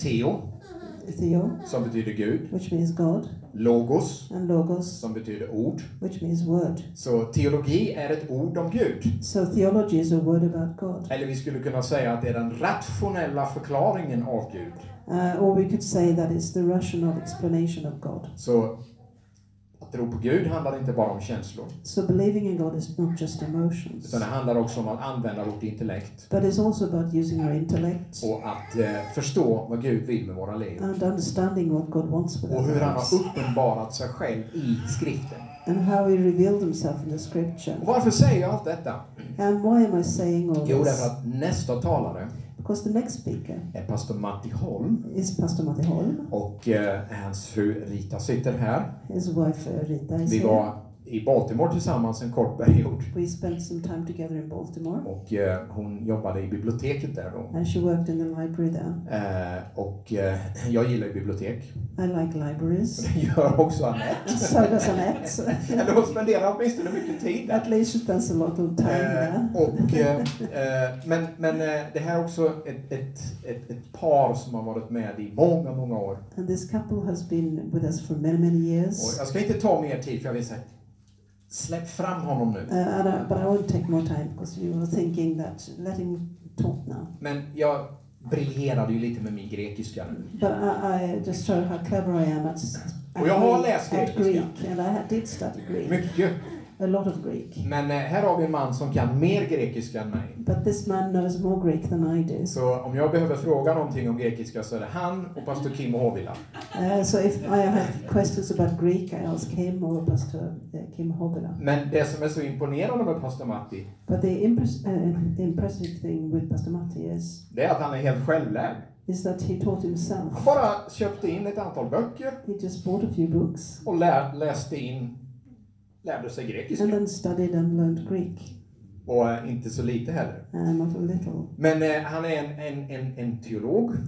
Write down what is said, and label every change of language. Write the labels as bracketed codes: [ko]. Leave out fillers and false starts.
[sv] Theo. [en] Theo. [sv] Som betyder Gud. [en] Which means God. [sv] Logos, [en] and logos, [sv] som betyder ord, [en] which means word. [sv] Så teologi är ett ord om Gud. [en] So theology is a word about God. [sv] Eller vi skulle kunna säga att det är den rationella förklaringen av Gud. [en] Or we could say that it's the rational explanation of God. [sv] Så att tro på Gud handlar inte bara om känslor. [en] So believing in God is not just emotions. [sv] Utan det handlar också om att använda vårt intellekt. [en] But it's also about using our intellect. [sv] Och att förstå vad Gud vill med våra liv. [en] And understanding what God wants with us. [sv] Och hur han har uppenbarat sig själv i skriften. [en] And how he revealed himself in the scripture. [sv] Och varför säger jag allt detta? [en] And why am I saying all this? [sv] Jo, därför att nästa talare. [en] Because the next speaker [sv] är pastor Matti Holm. [en] Is pastor Matti Holm. [sv] Och hans fru Rita sitter här. [en] His wife Rita is [sv] here. Vi var i Baltimore tillsammans en kort period. [en] We spent some time together in Baltimore. [sv] Och hon jobbade i biblioteket där då. [en] And she worked in the library there. [sv] Och jag gillar bibliotek. [en] I like libraries. [sv] Och det gör också Annette. [en] So does Annette. [sv] Eller hon spenderar åtminstone mycket tid där. [en] At least she spends a lot of time there. [sv] Och men det här är också ett par som har varit med i många många år. [en] And this couple has been with us for many many years. [sv] Och jag ska inte ta mer tid för jag vill säga släpp fram honom nu. [en] But I won't take more time because you were thinking that let him talk now. [sv] Men jag briljerade ju lite med min grekiska nu. [en] But I just show how clever I am. [sv] Och jag har läst grekiska. [en] Greek, and I did study Greek. [sv] Mycket. [en] A lot of Greek. [sv] Men här har vi en man som kan mer grekiska än mig. [en] But this man knows more Greek than I do. [sv] Så om jag behöver fråga någonting om grekiska så är det han och pastor Kim Hovila. [en] So if I have questions about Greek, I ask him or pastor Kim Hovila. [sv] Men det som är så imponerande med pastor Matti. [en] But the impressive thing with pastor Matti is. [sv] Det är att han är helt självlärd. [en] Is that he taught himself. [sv] Han bara köpte in ett antal böcker. [en] He just bought a few books. [sv] Och läste in. Lärde sig grekiska. [en] And then studied and learned Greek. [sv] Och inte så lite heller. [en] Not a little. [sv] Men han är en teolog.